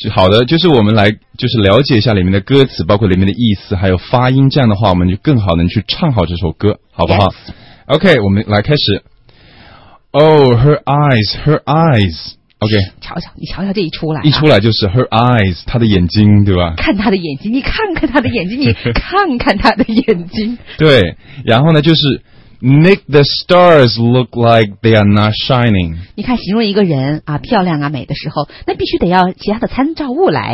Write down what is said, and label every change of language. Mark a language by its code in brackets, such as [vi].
[zh] 好的，就是我们来就是了解一下里面的歌词，包括里面的意思，还有发音，这样的话我们就更好能去唱好这首歌，好不好？ [en] Yes. OK, [zh] 我们来开始。 [en] Oh, her eyes. OK. [zh] 瞧瞧，你瞧瞧这一出来、啊。一出来就是 [en] her eyes, [zh] 她的眼睛，对吧？看她的眼睛，你看看她的眼睛，你看看她的眼睛。对，然后呢就是 [en] make the stars look like they are not shining. [zh] 你看形容一个人啊，漂亮啊，美的时候，那必须得要其他的参照物来。